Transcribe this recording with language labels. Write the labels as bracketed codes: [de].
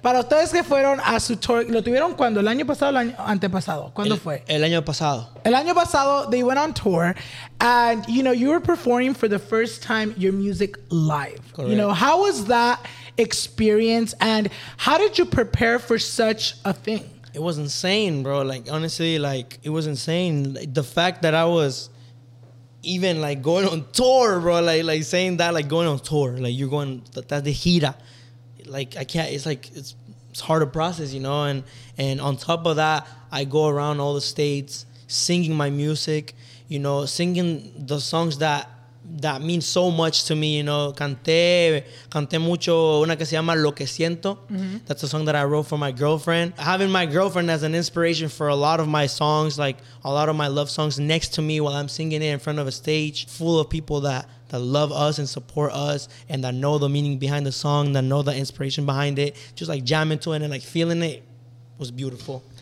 [es] Para ustedes que fueron a su tour, ¿lo tuvieron cuando? ¿El año pasado o el año antepasado? ¿Cuándo fue? El año pasado. El año pasado, [en] they went on tour, and you know, you were performing for the first time your music live. Correct. You know, how was that experience and how did you prepare for such a thing? It was insane, bro. Like, honestly, like, it was insane. Like, the fact that I was even like going on tour, bro, like saying that, like going on tour, like you're going, that's the gira. Like, I can't, it's like, it's hard to process, you know? And on top of that, I go around all the states singing my music, you know, singing the songs that means so much to me, you know. [es] Canté mucho una que se llama Lo Que Siento. Mm-hmm. [en] That's a song that I wrote for my girlfriend. Having my girlfriend as an inspiration for a lot of my songs, like a lot of my love songs, next to me while I'm singing it in front of a stage full of people that love us and support us and that know the meaning behind the song, that know the inspiration behind it, just like jamming to it and like feeling it, was beautiful.